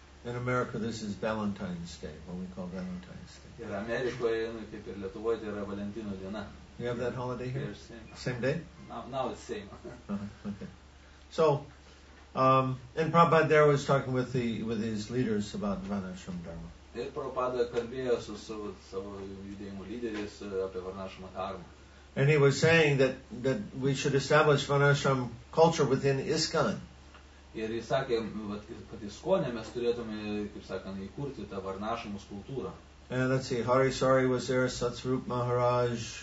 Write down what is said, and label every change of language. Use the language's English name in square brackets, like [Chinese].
[English] In America this is Valentine's Day, what we call Valentine's Day. [Lithuanian] Ir Amerikoje, kaip ir Lietuvoje, tai yra Valentino diena. [English] You have that holiday here? Same day? Now it's same. So, and Prabhupada there was talking with his leaders about Vanashram Dharma. [Lithuanian] Ir Prabhupada kalbėjo su savo judėjimo lyderis apie Varnašamą Dharmą. [English] And he was saying that we should establish Varnašram culture within ISKCON. [Lithuanian] Ir jis sakė, kad ISKCONe mes turėtume, kaip sakant, įkurti tą Varnašamos kultūrą. [English] And let's see, Hari Sari was there, Satsvarup Maharaj.